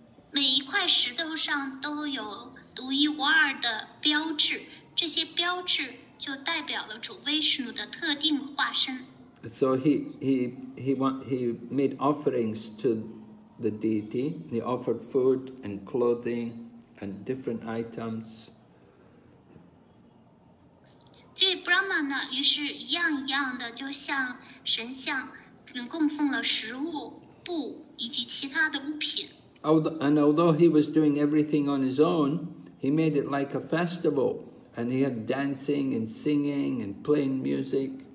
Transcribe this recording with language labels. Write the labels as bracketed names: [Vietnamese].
[Chinese] 每一块石头上都有独一无二的标志，这些标志就代表了主威士努的特定化身。So [English] he made offerings to the deity. He offered food and clothing and different items. [Chinese] 这 Brahma 呢，于是一样一样的就向神像供奉了食物、布以及其他的物品。 [English] Although he was doing everything on his own, he made it like a festival, and he had dancing and singing and playing music.